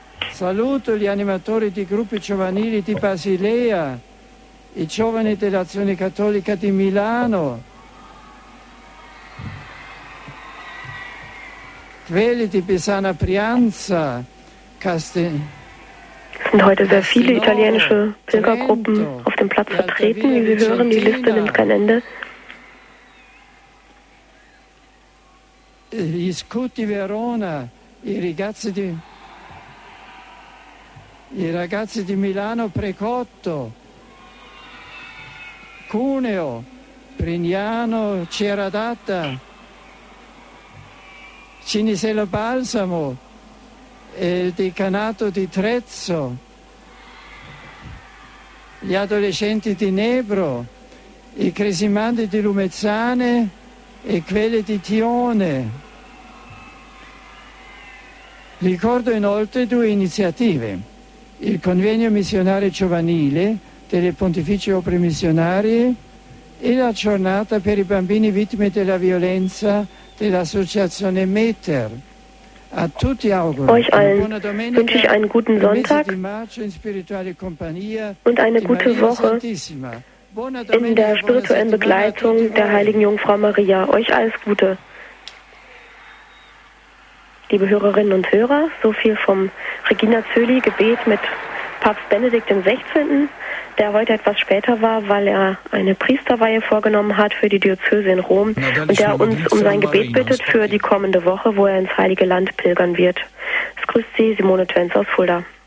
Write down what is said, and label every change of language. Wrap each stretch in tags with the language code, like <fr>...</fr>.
<it>Saluto gli animatori di gruppi giovanili di Basilea, i giovani dell'Azione Cattolica di Milano, quelli di Pisana Prianza,</it> <de>Sind heute sehr viele italienische Pilgergruppen auf dem Platz vertreten. Wie wir hören, die Liste nimmt kein Ende.</de> <it>Gli Scuti Verona, i ragazzi di Milano Precotto, Cuneo, Prignano, Ceradatta, Cinisello Balsamo, il decanato di Trezzo, gli adolescenti di Nebro, i cresimandi di Lumezzane e quelli di Tione. Ricordo inoltre due iniziative, il convegno missionario giovanile delle pontificie opere missionarie e la giornata per i bambini vittime della violenza dell'associazione METER. A tutti auguro</it> <de>euch allen</de> <it>una buona domenica,</it> <de>wünsche ich einen guten Sonntag</de> <it>in spirituale compagnia</it> <de>und eine gute Woche in der spirituellen Begleitung der Heiligen Jungfrau Maria. Euch alles Gute. Liebe Hörerinnen und Hörer, so viel vom Regina Zöli Gebet mit Papst Benedikt XVI., der heute etwas später war, weil er eine Priesterweihe vorgenommen hat für die Diözese in Rom und der uns um sein Gebet bittet für die kommende Woche, wo er ins Heilige Land pilgern wird. Es grüßt Sie, Simone Twenz aus Fulda.</de>